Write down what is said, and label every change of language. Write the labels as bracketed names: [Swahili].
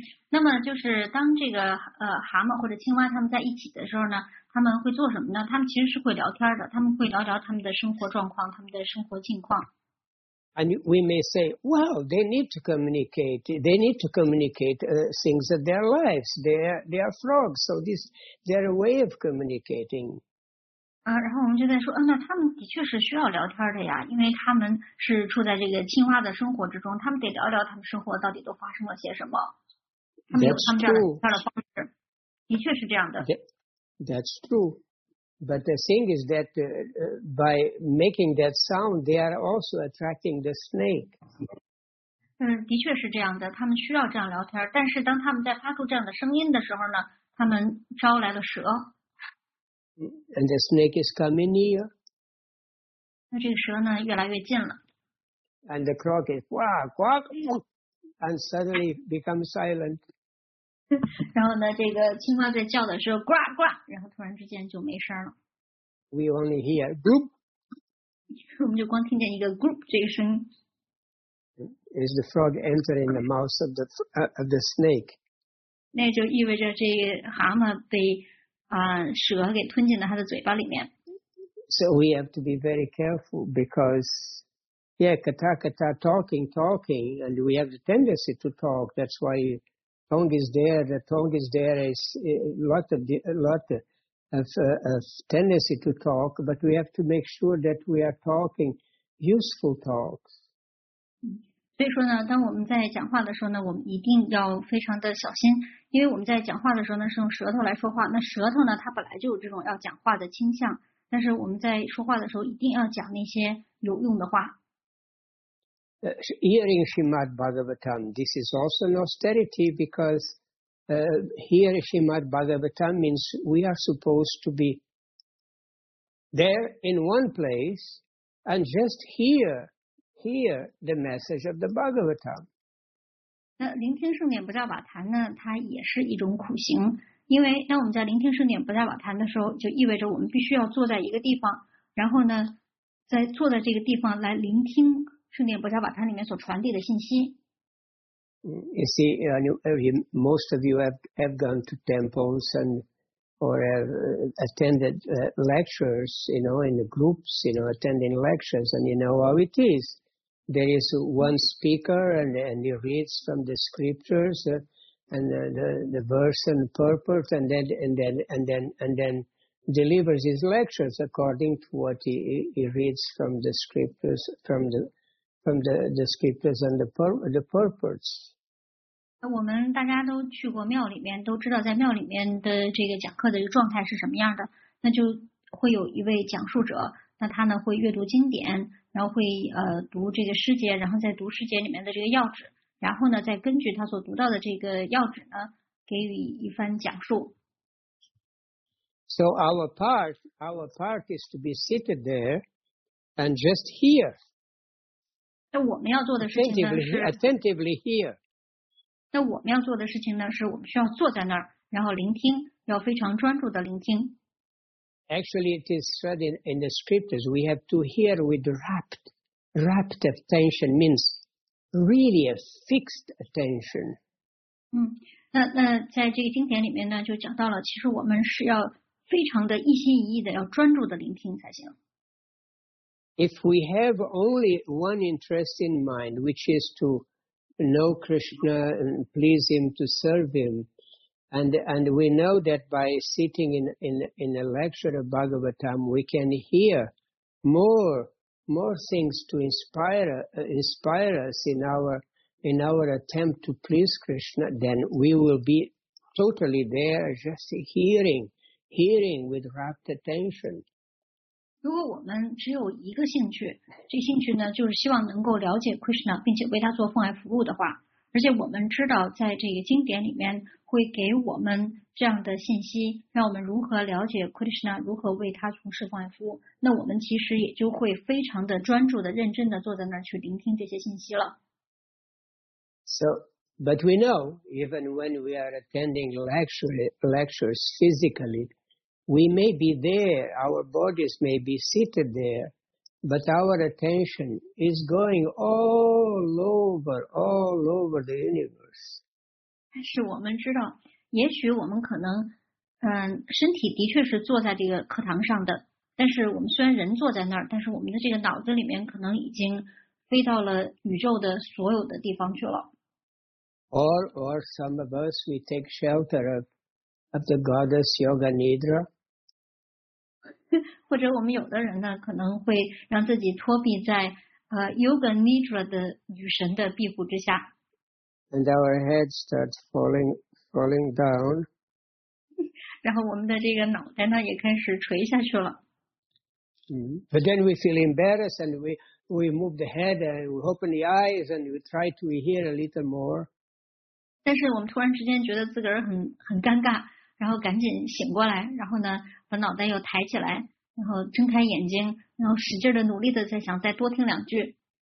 [Chinese] 那么就是当这个蛤蟆或者青蛙他们在一起的时候呢，他们会做什么呢？他们其实是会聊天的，他们会聊聊他们的生活状况，他们的生活近况。 [English] And we may say, well, they need to communicate. They need to communicate things of their lives. They are frogs, so this their way of communicating. [Chinese] 然后我们就在说，那他们的确是需要聊天的呀，因为他们是处在这个青蛙的生活之中，他们得聊聊他们生活到底都发生了些什么。他们有他们这样的聊天的方式，的确是这样的。 [English] That's true. But the thing is that by making that sound, they are also attracting the snake. [Chinese] 的确是这样的，他们需要这样聊天，但是当他们在发出这样的声音的时候呢，他们招来了蛇。 [English] And the snake is coming near. [Chinese] 那这个蛇呢，越来越近了。 [English] And the croc is, wah, quack, and suddenly becomes silent. [Chinese] 然后呢，这个青蛙在叫的时候，呱呱，然后突然之间就没声了。 [English] We only hear group. [Chinese] 我们就光听见一个 group 这个声音。 [English] Is the frog entering the mouth of the snake? [Chinese] 那就意味着这个蛤蟆被蛇给吞进了他的嘴巴里面。 [English] So we have to be very careful because, yeah, kata kata talking, and we have the tendency to talk. That's why the tongue is there. Is a lot of tendency to talk, but we have to make sure that we are talking useful talks. [Chinese] 所以说呢，当我们在讲话的时候呢，我们一定要非常的小心。因为我们在讲话的时候呢，是用舌头来说话，那舌头呢，它本来就有这种要讲话的倾向，但是我们在说话的时候一定要讲那些有用的话。 [English] Hearing Srimad Bhagavatam, this is also an austerity because hearing Srimad Bhagavatam means we are supposed to be there in one place and just hear the message of the Bhagavatam. [Chinese] 那聆听圣典不叫瓦坛呢，它也是一种苦行，因为当我们在聆听圣典不叫瓦坛的时候，就意味着我们必须要坐在一个地方，然后呢在坐在这个地方来聆听圣典不叫瓦坛里面所传递的信息。 [English] You see, most of you have gone to temples and or have attended lectures, you know, in the groups, you know, attending lectures, and you know how it isThere is one speaker and he reads from the scriptures and the verse and purport and then delivers his lectures according to what he reads from the scriptures from the scriptures and the purports. [Chinese] 我们大家都去过庙里面，都知道在庙里面的这个讲课的状态是什么样的。那就会有一位讲述者，那他呢会阅读经典。然后会读这个诗节，然后再读诗节里面的这个要旨，然后呢再根据他所读到的这个要旨呢给予一番讲述。 [English] So our part is to be seated there and just hear. [Chinese] 那我们要做的事情呢是 [English] attentively hear. [Chinese] 那我们要做的事情呢是我们需要坐在那儿，然后聆听，要非常专注的聆听。 [English] Actually, it is said in the scriptures, we have to hear with rapt attention means really a fixed attention. [Chinese] 那在这个经典里面呢，就讲到了，其实我们是要非常的一心一意的，要专注的聆听才行。 [English] If we have only one interest in mind, which is to know Krishna and please him, to serve him,And we know that by sitting in a lecture of Bhagavatam, we can hear more things to inspire us in our attempt to please Krishna, then we will be totally there just hearing with rapt attention. [Chinese] 如果我们只有一个兴趣，这兴趣呢，就是希望能够了解 Krishna， 并且为他做奉爱服务的话。而且我们知道在这个经典里面会给我们这样的信息，让我们如何了解 Krishna， 如何为他从事奉爱服务，那我们其实也就会非常的专注的认真的坐在那儿去聆听这些信息了。 [English] So, but we know even when we are attending lectures physically, we may be there, our bodies may be seated there. But our attention is going all over the universe. [Chinese] 但是我们知道，也许我们可能，身体的确是坐在这个课堂上的，但是我们虽然人坐在那儿，但是我们的这个脑子里面可能已经飞到了宇宙的所有的地方去了。 [English] Or some of us, we take shelter of the goddess Yoga Nidra. [Chinese] 或者我们有的人呢，可能会让自己托庇在Yoga Nidra 的女神的庇护之下。 [English] And our head starts falling down. [Chinese] 然后我们的这个脑袋呢，也开始垂下去了。 [English] But then we feel embarrassed and we move the head and we open the eyes and we try to hear a little more. [Chinese] 但是我们突然之间觉得自个儿很尴尬，然后赶紧醒过来，然后呢把脑袋又抬起来，然后睁开眼睛，然后使劲的努力的在想再多听两句。